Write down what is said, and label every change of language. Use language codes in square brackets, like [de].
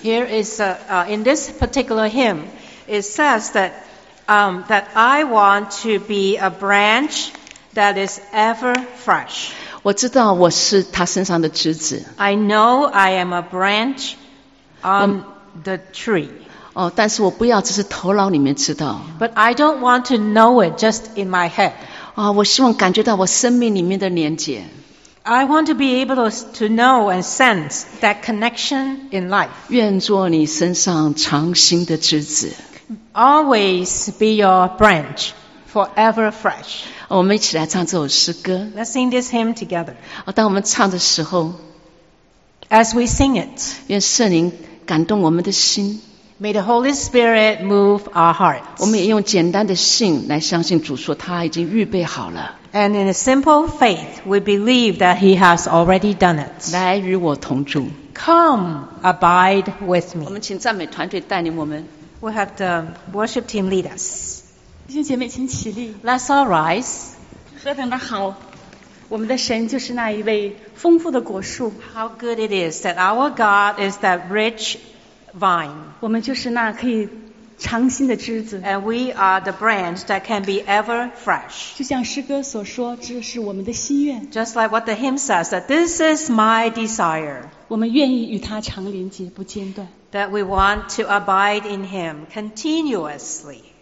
[en] Here is in this particular hymn, it says that. That I want to be a branch that is ever fresh. [zh] 我知道我是他身上的枝子。 [en] I know I am a branch on the tree. [zh] 哦，但是我不要只是头脑里面知道。 [en] But I don't want to know it just in my head. [zh] 哦，我希望感觉到我生命里面的连结。 [en] I want to be able to know and sense that connection in life. [zh] 愿做你身上长新的枝子。 [en] Always be your branch, forever fresh. [zh] 我们一起来唱这首诗歌。 [en] Let's sing this hymn together. [zh] 当我们唱的时候 [en] ，As we sing it, [zh] 愿圣灵感动我们的心。 [en] May the Holy Spirit move our hearts. [zh] 我们也用简单的信来相信主说他已经预备好了。 [en] And in a simple faith, we believe that He has already done it. [zh] 来与我同住。 [en] Come, abide with me. [zh] 我们请赞美团队带领我们。 [en] We'll have the worship team lead us. [zh] 弟兄姐妹，请起立。 [en] Let's all rise. [zh] 何等的好，我们的神就是那一位丰富的果树。 [en] How good it is that our God is that rich vine. [zh] 我们就是那可以长新的枝子。 [en] And we are the branch that can be ever fresh. [zh] 就像诗歌所说，这是我们的心愿。 [en] Just like what the hymn says, that this is my desire. [zh] 我们愿意与他常连接，不间断。 [en] That we want to abide in Him continuously.